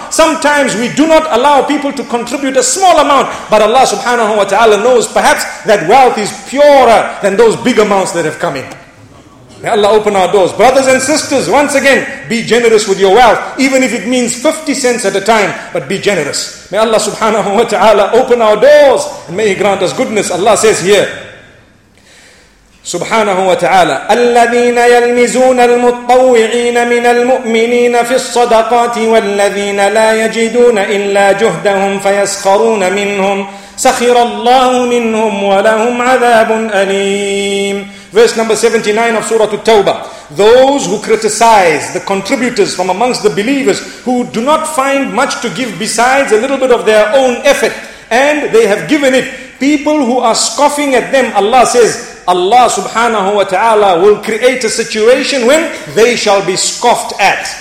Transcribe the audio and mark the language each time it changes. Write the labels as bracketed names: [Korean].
[English] Sometimes we do not allow people to contribute a small amount, but Allah subhanahu wa ta'ala knows perhaps that wealth is purer than those big amounts that have come in. May Allah open our doors. Brothers and sisters, once again, be generous with your wealth, even if it means 50 cents at a time, but be generous. May Allah subhanahu wa ta'ala open our doors and may He grant us goodness. Allah says here, subhanahu wa ta'ala, [Arabic] الَّذِينَ يَلْمِزُونَ الْمُطَّوِّعِينَ مِنَ الْمُؤْمِنِينَ فِي الصَّدَقَاتِ وَالَّذِينَ لَا يَجِدُونَ إِلَّا جُهْدَهُمْ فَيَسْخَرُونَ مِنْهُمْ سَخِرَ اللَّهُ مِنْهُمْ وَلَهُمْ عَذَابٌ أَلِيمٌ. [English] verse number 79 of Surah At-Tawbah. Those who criticize the contributors from amongst the believers who do not find much to give besides a little bit of their own effort, and they have given it, people who are scoffing at them, Allah says, Allah subhanahu wa ta'ala will create a situation when they shall be scoffed at.